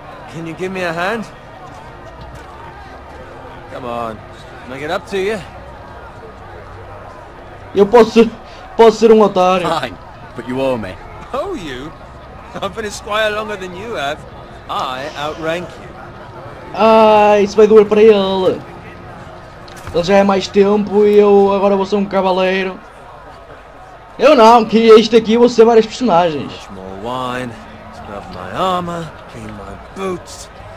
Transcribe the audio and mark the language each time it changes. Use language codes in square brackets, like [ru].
[en] Can you give me a hand? Come on, make it up to you. [pt] Eu posso ser um otário. [en] Fine, but you owe me. Owe you? I've been a squire longer than you have. I outrank you. [pt] Ah, isso vai doer para ele. Ele já é mais tempo e eu agora vou ser um cavaleiro. Eu não, que este aqui vou ser vários personagens. [en] More wine, scrub my armor, clean my boots.